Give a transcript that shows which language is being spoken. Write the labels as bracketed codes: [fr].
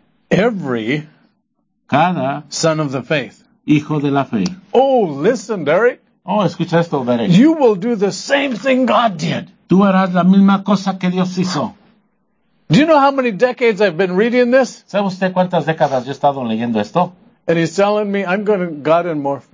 [en] Every [es] cada [en] son of the faith. [es] Hijo de la fe. [en] Oh, listen, Derek. [es] Oh, escucha esto, Derek. [en] You will do the same thing God did. [es] Tú harás la misma cosa que Dios hizo. [en] Do you know how many decades I've been reading this? [es] ¿Sabe usted cuántas décadas yo he estado leyendo esto? [en] And he's telling me, I'm going to God and morph.